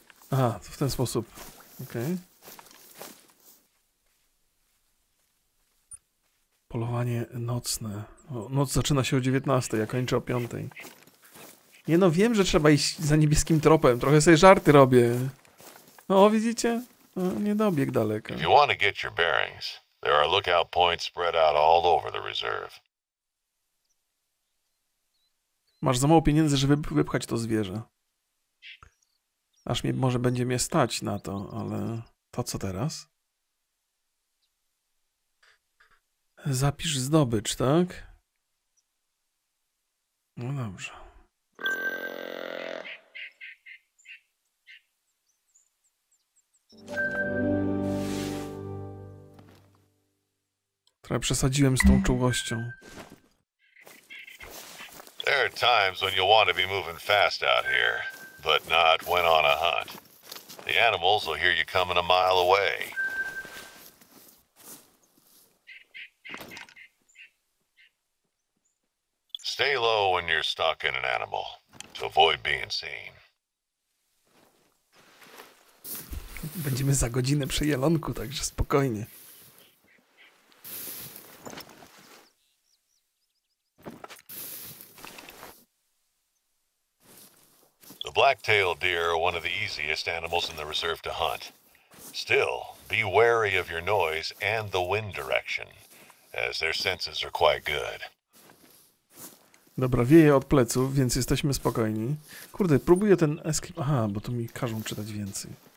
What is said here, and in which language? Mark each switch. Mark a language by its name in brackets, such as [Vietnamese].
[Polish] A, to w ten sposób. Okej. Okay. Polowanie nocne. O, noc zaczyna się o 19, a kończy o 5. Nie no, wiem, że trzeba iść za niebieskim tropem. Trochę sobie żarty robię. O, widzicie? O, nie dobieg daleko. [English] If you want to get your bearings, there are lookout points spread out all over the reserve. [Polish] Masz za mało pieniędzy, żeby wypchać to zwierzę. Aż mi może będzie mnie stać na to, ale to co teraz? Zapisz zdobycz, tak? No dobrze. Trochę przesadziłem z tą czułością. [English] There are times when you'll want to be moving fast out here, but not when on a hunt. The animals will hear you coming a mile away. Stay low when you're stalking an animal, to avoid being seen. [Polish] Będziemy za godzinę przy jelonku, także spokojnie. [English] The black-tailed deer are one of the easiest animals in the reserve to hunt. Still, be wary of your noise and the wind direction, as their senses are quite good. [Polish] Dobra, wieje od pleców, więc jesteśmy spokojni. Kurde, próbuję ten escape... Aha, bo tu mi każą czytać więcej.